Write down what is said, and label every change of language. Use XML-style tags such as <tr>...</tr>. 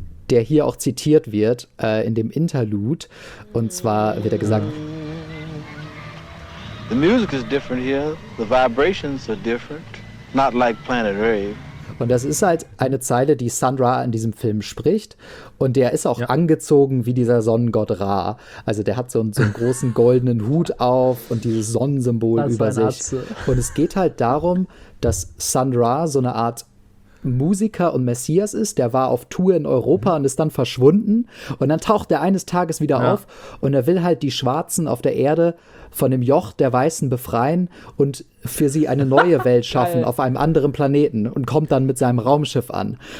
<de>Der hier auch zitiert wird in dem Interlude. Und zwar wird er gesagt:</de> <en>The music is different here. The vibrations are different. Not like Planet Rave.</en> <de>Und das ist halt eine Zeile, die Sun Ra in diesem Film spricht. Und der ist auch angezogen wie dieser Sonnengott Ra. Also der hat so einen großen goldenen Hut auf und dieses Sonnensymbol über sich. Atze. Und es geht halt darum, dass Sun Ra so eine Art Musiker und Messias ist, der war auf Tour in Europa und ist dann verschwunden und dann taucht er eines Tages wieder auf und er will halt die Schwarzen auf der Erde von dem Joch der Weißen befreien und für sie eine neue Welt schaffen auf einem anderen Planeten und kommt dann mit seinem Raumschiff an.</de>